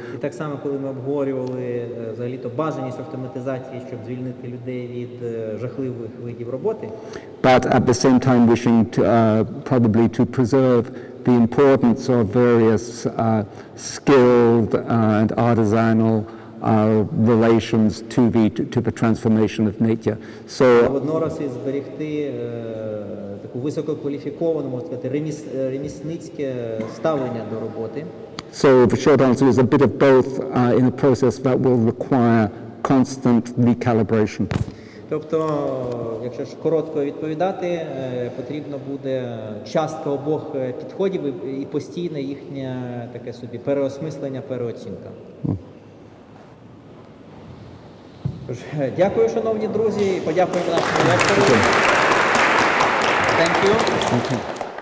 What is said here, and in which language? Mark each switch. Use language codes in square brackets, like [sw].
[uk] І так само, коли ми обговорювали взагалі-то бажаність автоматизації, щоб звільнити людей від жахливих видів роботи. [en] But at the same time wishing to probably to preserve the importance of various skilled and artisanal relations to the transformation of nature. So [uk] водночас і зберегти таку висококваліфіковану, можна сказати, ремісницьке ставлення до роботи. [en] So the short answer is a bit of both in a process that will require constant recalibration. [uk] Тобто, якщо ж коротко відповідати, потрібно буде частка обох підходів і постійне їхнє таке собі переосмислення, переоцінка. Тож, дякую, шановні друзі, і подякуємо нашому лектору. Дякую. Дякую.